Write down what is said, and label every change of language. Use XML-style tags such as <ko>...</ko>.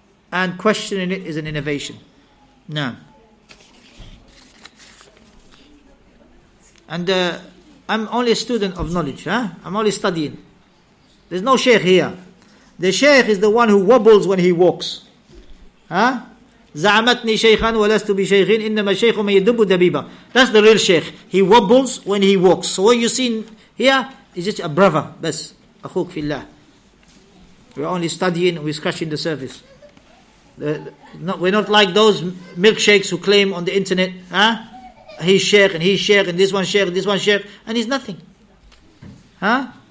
<en>And questioning it is an innovation. No. And I'm only a student of knowledge. Huh? I'm only studying. There's no sheikh here. The sheikh is the one who wobbles when he walks. Huh?</en> <ar>زعمتني شيخا ولست بشيخين إنما شيخ من يدب دبيبة.</ar> <en>That's the real sheikh. He wobbles when he walks. So what you see here is just a brother.</en> <ar>بس أخوك في الله.</ar> <en>We're only studying. We're scratching the surface. We're not like those milkshakes who claim on the internet, huh? He's sheikh, and this one sheikh, and this one sheikh, and he's nothing, huh?</en>